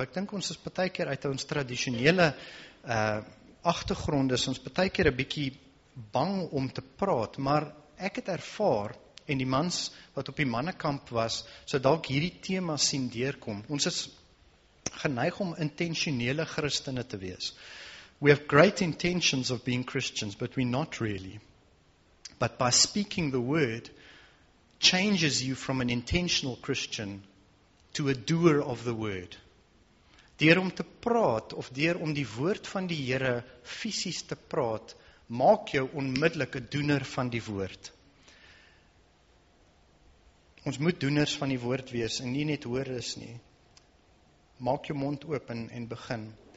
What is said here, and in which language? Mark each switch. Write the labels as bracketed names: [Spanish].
[Afrikaans] Ek dink ons is baie keer uit ons traditionele agtergrond, is ons baie keer 'n bietjie bang om te praat, maar ek het ervaar, en die mans wat op die mannekamp was, so dalk hierdie tema sien deurkom. Ons is geneig om intentionele Christene te wees. [English] We have great intentions of being Christians, but we're not really. But by speaking the word, changes you from an intentional Christian to a doer of the word. [Afrikaans] Deur om te praat, of deur om die woord van die Here fisies te praat, maak jou onmiddellik 'n doener van die woord. Ons moet doeners van die woord wees en nie net hoorders nie. Maak jou mond oop en begin.